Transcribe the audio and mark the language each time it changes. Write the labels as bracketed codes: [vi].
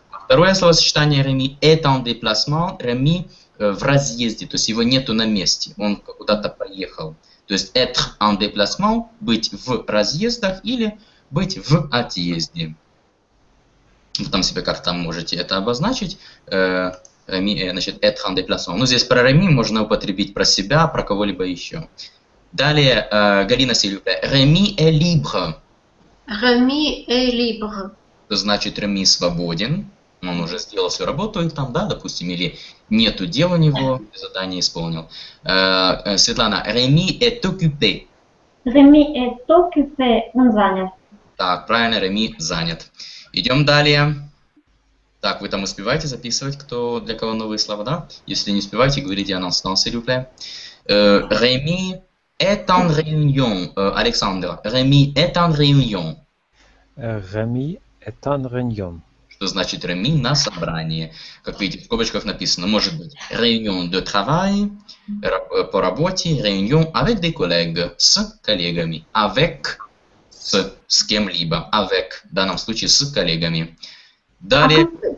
[ru] Второе словосочетание Реми [fr] est en déplacement. [ru] Реми в разъезде, то есть его нету на месте, он куда-то поехал. То есть [fr] être en déplacement, [ru] быть в разъездах или быть в отъезде. Вы там себе как-то можете это обозначить. Реми, значит, [fr] être en déplacement. [ru] Ну, здесь про Реми можно употребить про себя, про кого-либо еще. Далее, Галина Сильвия. [fr] Реми est libre. Реми est libre. [ru] Значит, Реми свободен. Он уже сделал всю работу там, да, допустим, или нету дела у него, задание исполнил. [fr] Светлана, Реми est occupé. Реми est occupé, [ru] он занят. Так, правильно, Реми занят. Идем далее. Так, вы там успеваете записывать, кто для кого новые слова, да? Если не успеваете, говорите анонсно, [fr] s'il vous plaît. Реми est en réunion. Александр, Реми est en réunion. Реми est en réunion. [ru] Что значит Реми на собрании? Как видите, в скобочках написано, может быть, [fr] réunion de travail, [ru] по работе, [fr] réunion avec des collègues, [ru] с коллегами, avec, с кем-либо, avec, в данном случае, с коллегами. Далее.